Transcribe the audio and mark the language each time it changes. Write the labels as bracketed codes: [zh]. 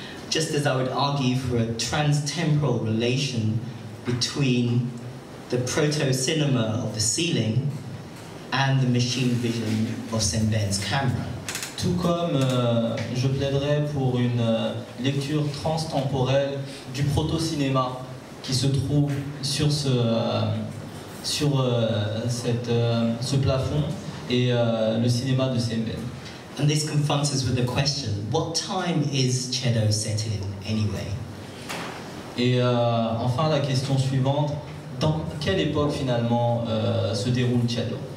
[en] Just as I would argue for a trans-temporal relation between the proto-cinema of the ceiling and the machine vision of Sembène's camera. [fr] Tout comme je plaiderai pour une lecture transtemporelle du proto-cinéma qui se trouve sur ce... ce plafond et le cinéma de Sembène. [en] And this confronts us with the question, what time is Chedo set in anyway? [fr] Et enfin la question suivante, dans quelle époque finalement se déroule Chedo?